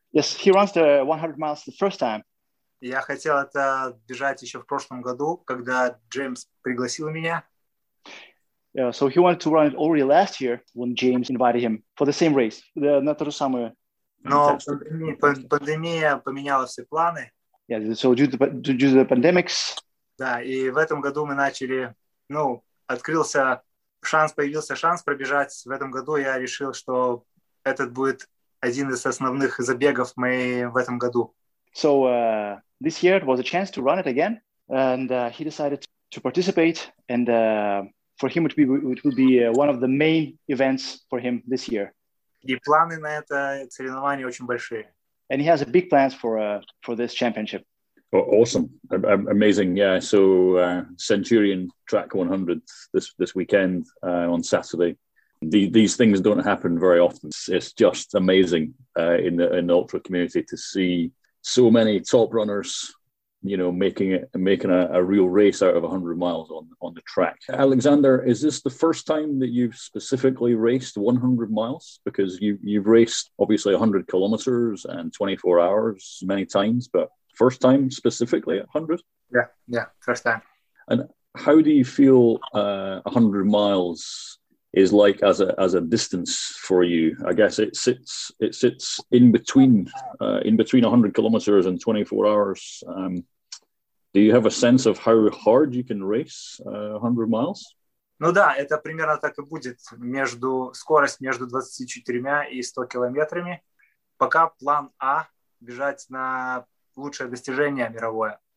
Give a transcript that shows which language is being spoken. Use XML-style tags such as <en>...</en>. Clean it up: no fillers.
<en>Yes, he runs the 100 miles the first time.</en> <ru>Я хотел это бежать еще в прошлом году, когда Джеймс пригласил меня.</ru> <en>Yeah, so he wanted to run it already last year when James invited him for the same race, not the summer.</en> <ru>Но пандемия поменяла все планы.</ru> <en>Yeah, so due to the pandemics.</en> <ru>Да, и в этом году мы начали, ну, появился шанс пробежать. В этом году я решил, что этот будет один из основных забегов моей в этом году.</ru> <en>So this year it was a chance to run it again, and he decided to participate, and for him it would be one of the main events for him this year.</en> <ru>И планы на это соревнование очень большие.</ru> <en>And he has a big plans for this championship. Oh, awesome. Amazing. Yeah. So Centurion Track 100 this weekend on Saturday. These things don't happen very often. It's just amazing in the ultra community to see so many top runners, you know, making a real race out of 100 miles on the track. Alexander, is this the first time that you've specifically raced 100 miles? Because you've raced, obviously, 100 kilometers and 24 hours many times, but first time specifically at 100? Yeah, first time. And how do you feel 100 miles is like as a distance for you? I guess it sits in between 100 kilometers and 24 hours. Do you have a sense of how hard you can race 100 miles?</en> <ru>Ну да, это примерно так и будет. Скорость между 24 и 100 километрами. Пока план А – бежать на лучшее достижение мировое.</ru>